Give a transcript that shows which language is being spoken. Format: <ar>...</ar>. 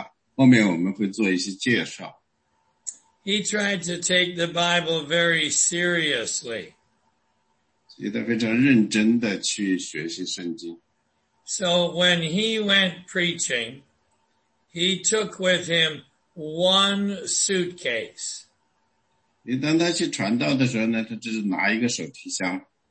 <zh>他的名字叫达密，他是神的奇妙的仆人。我们不是很多人都了解他，后面我们会做一些介绍。</zh> <en>He tried to take the Bible very seriously.</en> <zh>所以他非常认真地去学习圣经。</zh> <en>So when he went preaching, he took with him one suitcase.</en> <zh>当他去传道的时候呢，他只是拿一个手提箱。</zh>